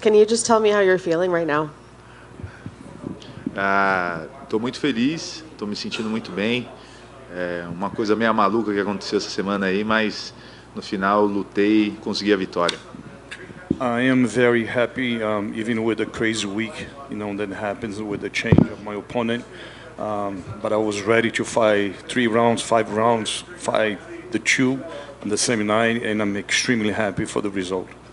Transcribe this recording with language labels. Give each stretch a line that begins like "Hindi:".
English: Can you just tell me how you're feeling right now?
Portuguese: Tô muito feliz, tô me sentindo muito bem. É uma coisa meio maluca que aconteceu essa semana aí, mas no final lutei, consegui a vitória.
English: I am very happy, even with the crazy week, you know, that happens with the change of my opponent. But I was ready to fight three rounds, five rounds, fight the two on the same night, and I'm extremely happy for the result.